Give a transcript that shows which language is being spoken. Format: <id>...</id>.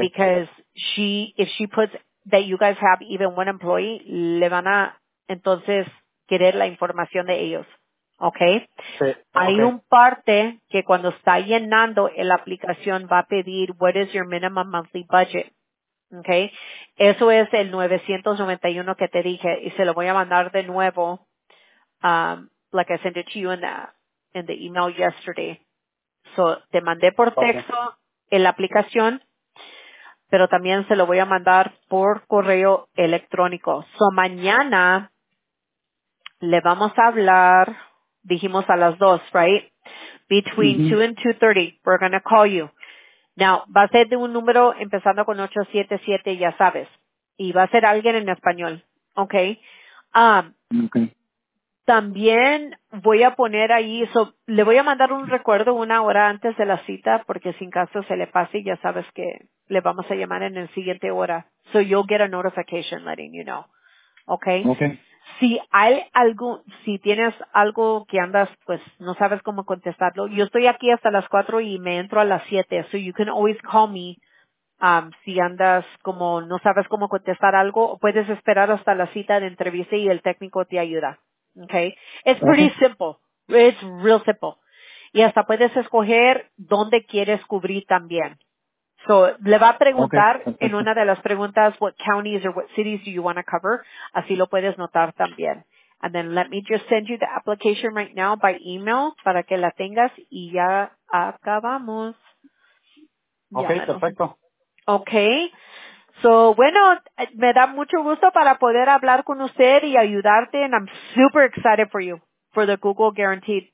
<en>Because she, if she puts that you guys have even one employee,</en> <es>le van a entonces querer la información de ellos.</es> <en>Okay.</en> <es>Sí. Hay</es> <en>okay.</en> <es>un parte que cuando está llenando la aplicación va a pedir</es> <en>what is your minimum monthly budget.</en> <es>Okay. Eso es el 991 que te dije y se lo voy a mandar de nuevo.</es> <en>Like I sent it to you in the email yesterday.</en> <es>So te mandé por texto okay. en la aplicación, pero también se lo voy a mandar por correo electrónico. So mañana le vamos a hablar. Dijimos a las 2,</es> <en>right? Between mm-hmm. 2 and 2:30, we're going to call you.</en> <es>Now, va a ser de un número empezando con 877, ya sabes. Y va a ser alguien en español. Okay.</es> <en>Okay.</en> <es>También voy a poner ahí, le voy a mandar un recuerdo una hora antes de la cita, porque sin caso se le pase, ya sabes que le vamos a llamar en el siguiente hora.</es> <en>So you'll get a notification letting you know. Okay. Okay.</en> <es>Si tienes algo que andas, pues no sabes cómo contestarlo. Yo estoy aquí hasta las 4 y me entro a las 7.</es> <en>So you can always call me,</en> <es>si andas como no sabes cómo contestar algo, puedes esperar hasta la cita de entrevista y el técnico te ayuda.</es> <en>Okay? It's pretty uh-huh. simple. It's real simple.</en> <es>Y hasta puedes escoger dónde quieres cubrir también. So, le va a preguntar okay. en una de las preguntas,</es> <en>what counties or what cities do you want to cover?</en> <es>Así lo puedes notar también.</es> <en>And then let me just send you the application right now by email</en> <es>para que la tengas y ya acabamos. Okay, ya, perfecto.</es> <en>Okay.</en> <es>So, bueno, me da mucho gusto para poder hablar con usted y ayudarte.</es> <en>And I'm super excited for you, for the Google Guaranteed.</en>